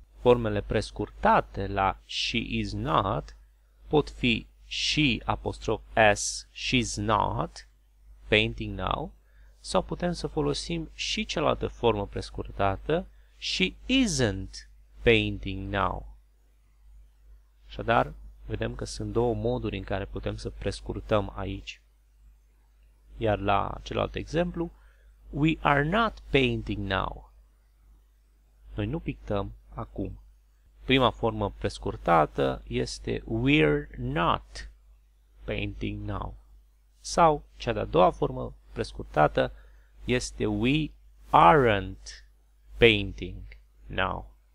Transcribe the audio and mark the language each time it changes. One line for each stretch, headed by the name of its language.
Romanian: Formele prescurtate la she is not pot fi she apostrof s,
English: she's not painting now,
Romanian: sau putem să folosim și cealaltă formă prescurtată,
English: she isn't painting now.
Romanian: Așadar, vedem că sunt două moduri în care putem să prescurtăm aici. Iar la celălalt exemplu,
English: we are not painting now.
Romanian: Noi nu pictăm acum. Prima formă prescurtată este
English: we're not painting now.
Romanian: Sau cea de-a doua formă prescurtată este
English: we aren't painting now.